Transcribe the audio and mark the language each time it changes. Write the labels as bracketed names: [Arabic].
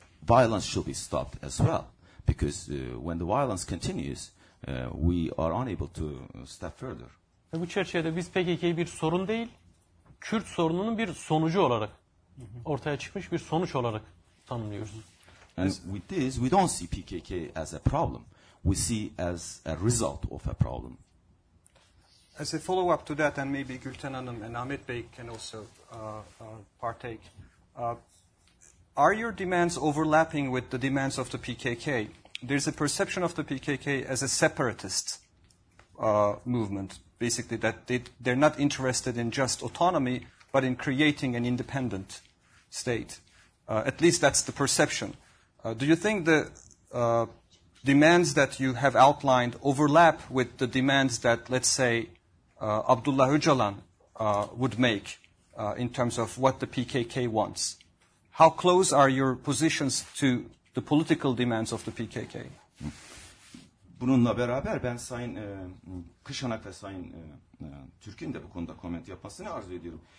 [English] Violence should be stopped as well, because when the violence continues, we are unable to step further. [Turkish] Bu çerçevede biz PKK'yı bir sorun değil, Kürt sorununun bir sonucu olarak, ortaya çıkmış bir sonuç olarak tanımlıyoruz. [English] And with this, we don't see PKK as a problem. We see as a result of a problem. As a follow-up to that, and maybe Gülten Hanım and Ahmet Bey can also partake, are your demands overlapping with the demands of the PKK? There's a perception of the PKK as a separatist movement, basically that they're not interested in just autonomy, but in creating an independent state. At least that's the perception. Do you think the demands that you have outlined overlap with the demands that, let's say, Abdullah Öcalan would make in terms of what the PKK wants? How close are your positions to the political demands of the PKK? [Turkish] Bununla beraber ben Sayın Kışanak ve Sayın Türk'ün de bu konuda comment yapmasını arzu ediyorum.